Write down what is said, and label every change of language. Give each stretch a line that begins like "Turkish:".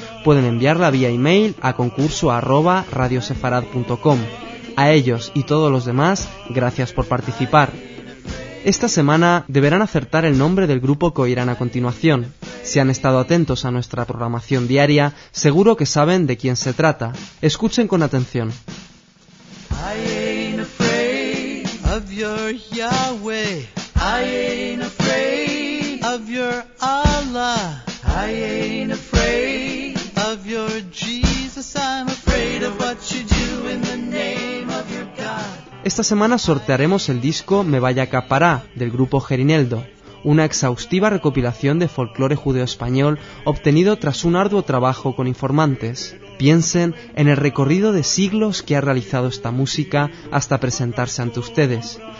Spanish: Pueden enviarla vía email a concurso@radiosefarad.com. A ellos y todos los demás, gracias por participar. Esta semana deberán acertar el nombre del grupo que oirán a continuación. Si han estado atentos a nuestra programación diaria, seguro que saben de quién se trata. Escuchen con atención.
English: I ain't afraid of your Yahweh. I ain't afraid of your Allah. I ain't afraid of your Jesus. I'm afraid of what you do in the name of your God.
Spanish: Esta semana sortearemos el disco Me vaya capará del grupo Gerineldo, una exhaustiva recopilación de folclore judeo-español obtenido tras un arduo trabajo con informantes. Piensen en el recorrido de siglos que ha realizado esta música hasta presentarse ante ustedes.